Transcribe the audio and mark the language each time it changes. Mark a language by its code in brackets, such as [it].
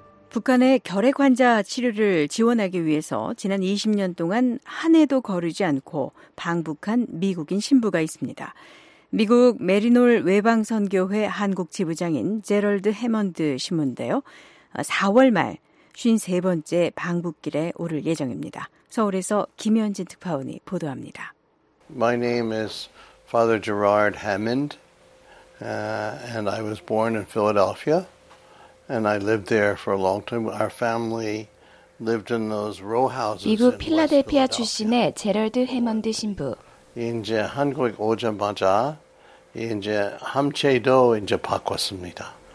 [ko] 북한의 결핵 환자 치료를 지원하기 위해서 지난 20년 동안 한 해도 거르지 않고 방북한 미국인 신부가 있습니다. 미국 메리놀 외방선교회 한국 지부장인 제럴드 해먼드 신부인데요. 4월 말 53번째 방북길에 오를 예정입니다. 서울에서 김현진 특파원이 보도합니다. [en] My name is Father Gerard Hammond and I was born in Philadelphia, and I lived there for a long time. Our family lived in those row houses. [ko] 미국 필라델피아 출신의 제럴드 해먼드 신부. 이제 한국 오자마자 이제 함체도 이제 바꿨습니다.